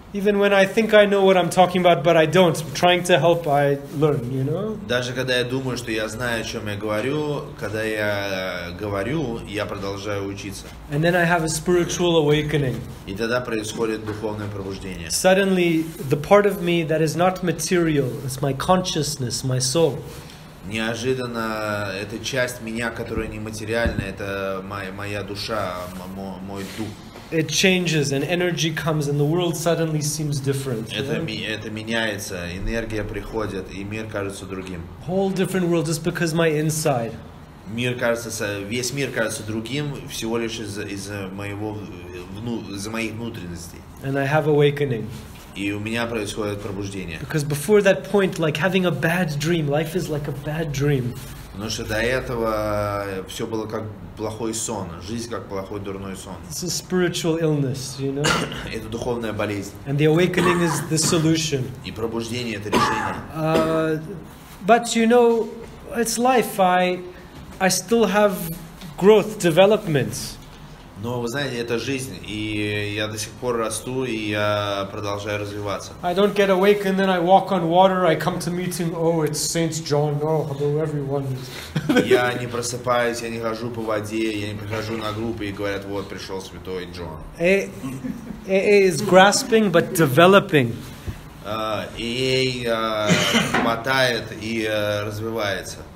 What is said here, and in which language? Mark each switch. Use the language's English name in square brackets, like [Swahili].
[English] Even when I think I know what I'm talking about, but I don't, trying to help, I learn, you know? [Russian] Даже когда я думаю, что я знаю, о чем я говорю, когда я говорю, я продолжаю учиться. [English] And then I have a spiritual awakening. [Russian] И тогда происходит духовное пробуждение. [English] Suddenly, the part of me that is not material, it's my consciousness, my soul. [Russian] Неожиданно эта часть меня, которая не материальна, это моя душа, мой дух. [English] It changes and energy comes and the world suddenly seems different. [Russian] Это меняется, энергия приходит, и мир кажется другим. [English] Whole different world just because my inside. [Russian] Весь мир кажется другим всего лишь из-за моих внутренностей. [English] And I have awakening. [Russian] И у меня происходит пробуждение. [English] Because before that point, like having a bad dream, life is like a bad dream. [Russian] Потому что до этого все было как плохой сон, жизнь как плохой дурной сон. [English] It's a spiritual illness, you know? [Russian] Это духовная болезнь. [English] And the awakening is the solution. [Russian] И пробуждение — это решение. [English] But you know, it's life. I still have growth, development. [Russian] Но вы знаете, это жизнь, и я до сих пор расту, и я продолжаю развиваться. [English] I don't get awake and then I walk on water, I come to meeting, oh, it's Saint John, oh, hello everyone. [Russian] Я не просыпаюсь, я не хожу по воде, я не прихожу на группы, и говорят, вот, пришел святой Джон. [English] AA is grasping, but developing. [Russian] AA хватает и развивается.